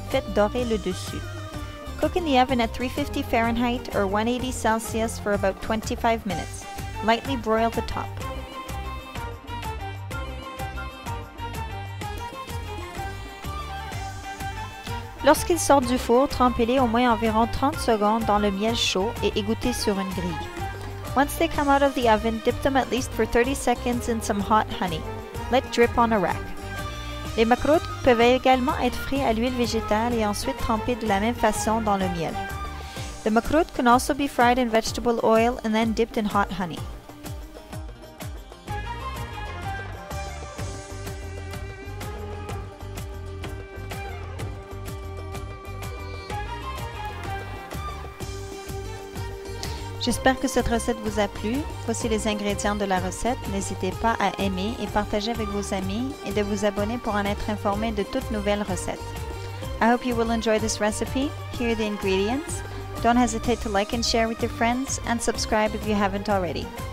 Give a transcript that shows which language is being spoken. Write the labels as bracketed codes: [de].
[fr] Faites dorer le dessus. [en] Cook in the oven at 350 Fahrenheit or 180 Celsius for about 25 minutes. Lightly broil the top. [fr] Lorsqu'il sort du four, trempez-les au moins environ 30 secondes dans le miel chaud et égouttez sur une grille. [en] Once they come out of the oven, dip them at least for 30 seconds in some hot honey. Let drip on a rack. [fr] Les makrout peuvent également être frits à l'huile végétale et ensuite trempés de la même façon dans le miel. [en] The makrout can also be fried in vegetable oil and then dipped in hot honey. [fr] J'espère que cette recette vous a plu. Voici les ingrédients de la recette. N'hésitez pas à aimer et partager avec vos amis et de vous abonner pour en être informé de toutes nouvelles recettes. [en] I hope you will enjoy this recipe. Here are the ingredients. Don't hesitate to like and share with your friends and subscribe if you haven't already.